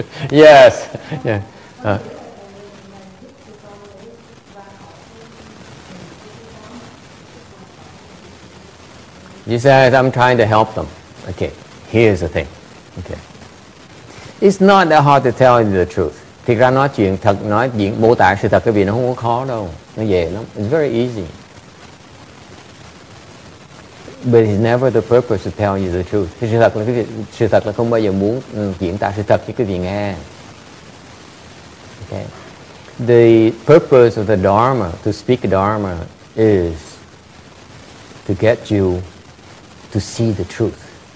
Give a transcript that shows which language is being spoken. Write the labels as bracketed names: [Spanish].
[English] Yes. Yeah. He says, I'm trying to help them. Okay, here's the thing. Okay. It's not that hard to tell you the truth. [Vietnamese] Thực ra nói chuyện thật, nói chuyện mô tả sự thật cái việc nó không có khó đâu. Nó dễ lắm. [English] It's very easy. But it's never the purpose to tell you the truth. [Vietnamese] Sự thật là không bao giờ muốn diễn tả sự thật cho quý vị nghe. [English] Okay. The purpose of the Dharma, to speak Dharma, is to get you to see the truth.